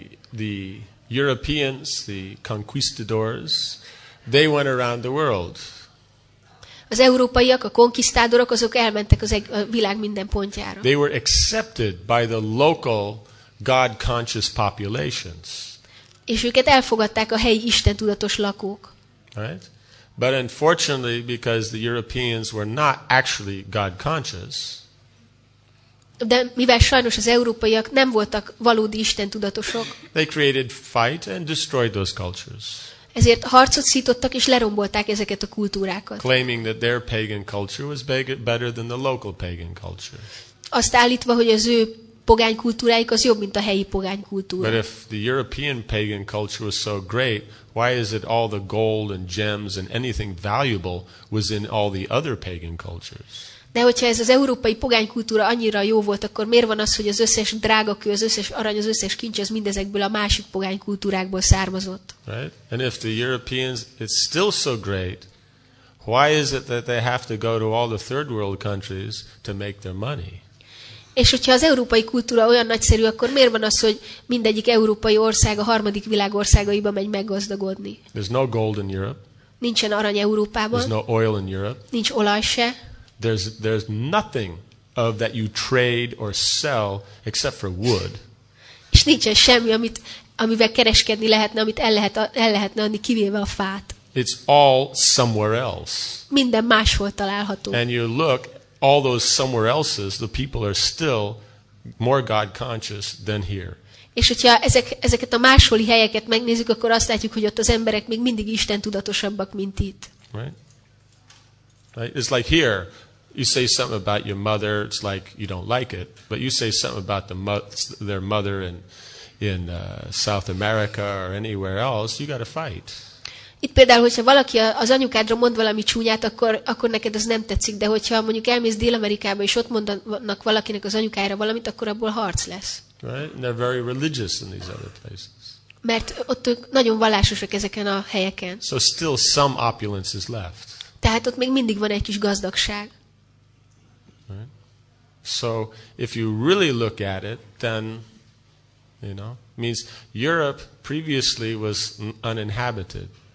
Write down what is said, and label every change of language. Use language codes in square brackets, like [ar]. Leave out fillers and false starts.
[en] The Europeans, the conquistadors, they went around the world. [hu] Az európaiak, a konkisztádorok, azok elmentek a világ minden pontjára. [en] They were accepted by the local God-conscious populations. [hu] És őket elfogadták a helyi istentudatos lakók. [en] Right? But unfortunately, because the Europeans were not actually God-conscious, [hu] de mivel sajnos az európaiak nem voltak valódi Isten tudatosok, [en] they created fight and destroyed those cultures. [hu] Ezért harcot szítottak és lerombolták ezeket a kultúrákat. [en] Claiming that their pagan culture was better than the local pagan culture. [hu] Azt állítva, hogy az ő pogány kultúráik az jobb, mint a helyi pogány kultúra. [en] But if the European pagan culture was so great, why is it all the gold and gems and anything valuable was in all the other pagan cultures? [hu] De hogyha ez az európai pogány kultúra annyira jó volt, akkor miért van az, hogy az összes drágakő, az összes arany, az összes kincs az mindezekből a másik pogány kultúrákból származott? [en] Right? And if the Europeans it's still so great, why is it that they have to go to all the third world countries to make their money? [hu] És hogyha az európai kultúra olyan nagyszerű, akkor miért van az, hogy mindegyik európai ország a harmadik világ országaiba megy meggazdagodni? [en] There's no gold in Europe. [hu] Nincsen arany Európában. [en] There's no oil in Europe. [hu] Nincs olaj se. [en] There's nothing of that you trade or sell except for wood. [hu] És nincsen semmi, amivel kereskedni lehetne, amit el lehetne adni, kivéve a fát. [en] It's all somewhere else. [hu] Minden máshol található. [en] And you look all those somewhere else's, the people are still more God-conscious than here. [hu] És hogyha ezeket a másholi helyeket megnézzük, akkor azt látjuk, hogy ott az emberek még mindig Isten tudatosabbak, mint itt. [en] Right? Right? It's like here, you say something about your mother, it's like you don't like it, but you say something about their mother in South America or anywhere else, you got to fight. [hu] Itt például, hogyha valaki az anyukádra mond valami csúnyát, akkor neked az nem tetszik, de hogyha mondjuk elmész Dél-Amerikába, és ott mondanak valakinek az anyukájára valamit, akkor abból harc lesz. [en] Right? And they're very religious in these other places. [hu] Mert ott ők nagyon vallásosak ezeken a helyeken. [en] So still some opulence is left. [hu] Tehát ott még mindig van egy kis gazdagság. [en] Right? So if you really look at it, then, you know, means Europe previously was uninhabited.